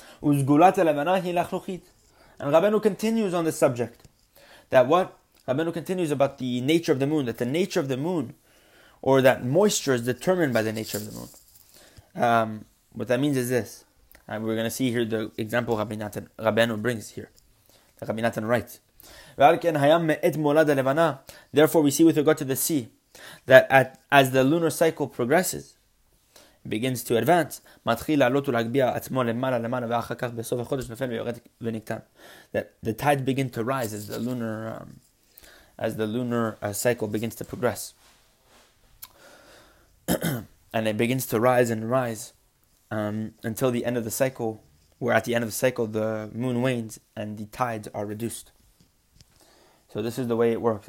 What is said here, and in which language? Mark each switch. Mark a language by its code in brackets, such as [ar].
[he] Uzgulat ha'levana hi lachluchit, [en] and Rabbeinu continues on the subject that what Rabbeinu continues about the nature of the moon, that the nature of the moon, or that moisture, is determined by the nature of the moon. What that means is this. And we're going to see here the example Rabbeinu brings here. Rabbi Natan writes, therefore we see with regard to the sea, that as the lunar cycle progresses, begins to advance, [he] מתחיל לעלות ולהגביה עצמו למעלה למעלה, ואחר כך בסוף החודש נופל ויורד ונקטן. [en] The tide begins to rise as the lunar cycle begins to progress. And it begins to rise and rise until the end of the cycle, where at the end of the cycle, the moon wanes and the tides are reduced. So this is the way it works.